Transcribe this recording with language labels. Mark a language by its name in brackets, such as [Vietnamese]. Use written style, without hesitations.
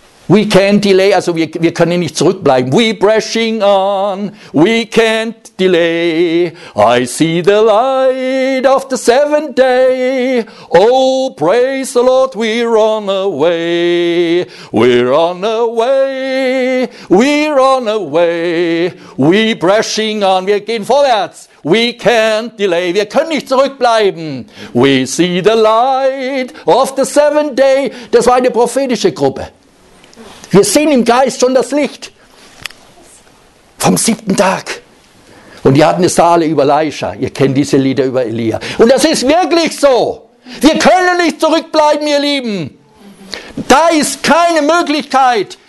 [English] We can't delay, [German] also wir können nicht zurückbleiben. [English] We're pressing on, we can't delay. I see the light of the seventh day. Oh, praise the Lord, we're on the way. We're on the way, we're on the way. We're pressing on, [German] wir gehen vorwärts. [English] We can't delay, [German] wir können nicht zurückbleiben. [English] We see the light of the seventh day. [German] Das war eine prophetische Gruppe. Wir sehen im Geist schon das Licht vom siebten Tag. Und die hatten es da alle über Elisha. Ihr kennt diese Lieder über Elia. Und das ist wirklich so. Wir können nicht zurückbleiben, ihr Lieben. Da ist keine Möglichkeit.